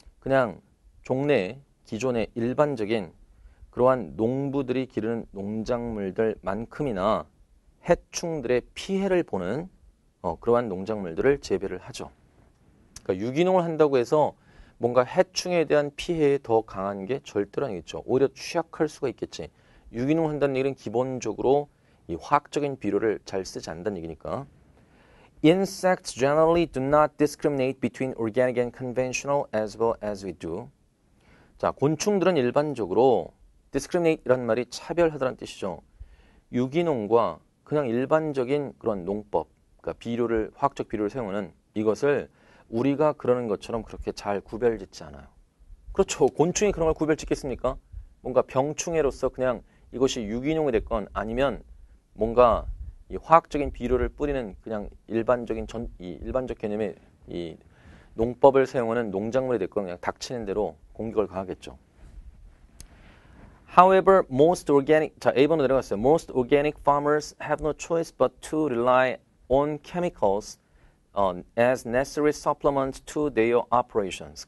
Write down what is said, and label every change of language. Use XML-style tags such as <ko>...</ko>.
<ko>그냥 종래, 기존의 일반적인 그러한 농부들이 기르는 농작물들만큼이나 해충들의 피해를 보는 그러한 농작물들을 재배를 하죠. 그러니까 유기농을 한다고 해서 뭔가 해충에 대한 피해에 더 강한 게 절대로 아니겠죠. 오히려 취약할 수가 있겠지. 유기농 한다는 얘기는 기본적으로 이 화학적인 비료를 잘 쓰지 않는다는 얘기니까.</ko> <en>Insects generally do not discriminate between organic and conventional as well as we do.</en> <ko>자, 곤충들은 일반적으로 discriminate란 말이 차별하다는 뜻이죠. 유기농과 그냥 일반적인 그런 농법, 그러니까 비료를, 화학적 비료를 사용하는 이것을 우리가 그러는 것처럼 그렇게 잘 구별짓지 않아요. 그렇죠. 곤충이 그런 걸 구별짓겠습니까? 뭔가 병충해로서 그냥 이것이 유기농이 됐건 아니면 뭔가 이 화학적인 비료를 뿌리는 그냥 일반적인 전, 이 일반적 개념의 이 농법을 사용하는 농작물이 됐건 그냥 닥치는 대로 공격을 가하겠죠.</ko> <en>However, most organic,</en> <ko>자, A번으로 내려갔어요.</ko> <en>Most organic farmers have no choice but to rely on chemicals as necessary supplements to their operations.</en>